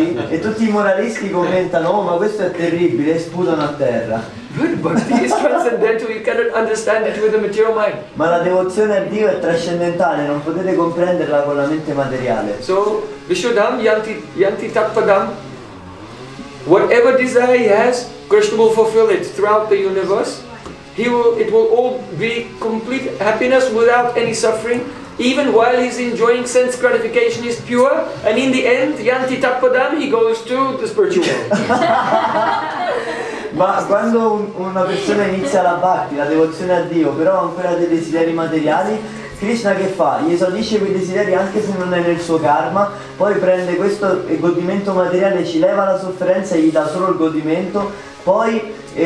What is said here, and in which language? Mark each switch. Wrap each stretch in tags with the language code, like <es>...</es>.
<it>E tutti i moralisti commentano, oh, ma questo è terribile, e sputano a terra.</it> <en>But bhakti is transcendental, you cannot understand it with the material mind.</en> <it>Ma la devozione a Dio è trascendentale, non potete comprenderla con la mente materiale.</it> <en>So,</en> <sa>Vishuddham, Yanti Tatpadam,</sa> <en>whatever desire he has, Krishna will fulfill it throughout the universe. It will all be complete happiness without any suffering. Even while he's enjoying sense gratification, is pure, and in the end,</en> <sa>Yanti Tatpadam,</sa> <en>he goes to the spiritual world.</en> <it>Ma quando una persona inizia la bhakti, la devozione a Dio, però ha ancora dei desideri materiali, Krishna che fa? Gli esaudisce quei desideri anche se non è nel suo karma, poi prende questo godimento materiale, ci leva la sofferenza e gli dà solo il godimento, poi...</it>